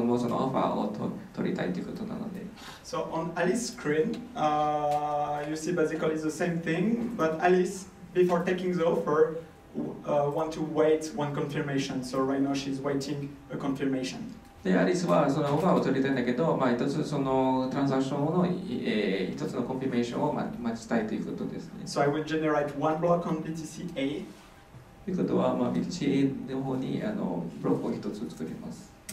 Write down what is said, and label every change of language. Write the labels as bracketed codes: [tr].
[ja] で、ボブは基本的にそのアリスがそのカウンターオファーを取ることを待ってますね。それができたら自分もそのオファーを取りたいということなので。 [en] So on Alice's screen, you see basically the same thing, but Alice, before taking the offer, want to wait one confirmation. So right now she's waiting a confirmation. [ja] で、アリスはそのオファーを取りたいんだけど、一つそのトランザクションの一つのコンフィメーションを待ちたいということですね。 [en] So I will generate one block on BTC A. [ja] ということは、BTC A の方にブロックを一つ作ります。